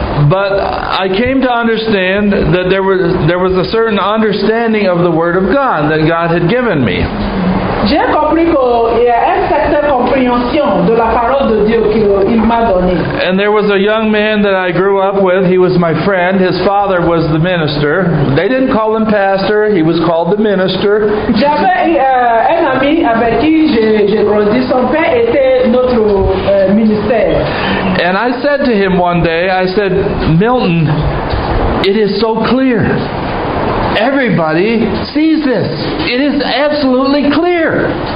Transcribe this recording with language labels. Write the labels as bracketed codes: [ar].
[en] But I came to understand that there was a certain understanding of the Word of God that God had given me. [fr] J'ai compris qu'il y a une certaine compréhension de la parole de Dieu qu'il m'a donnée. [en] And there was a young man that I grew up with. He was my friend. His father was the minister. They didn't call him pastor. He was called the minister. [fr] J'avais un ami avec qui j'ai grandi. Son père était notre ministère. [en] And I said to him one day, I said, "Milton, it is so clear. Everybody sees this. It is absolutely clear."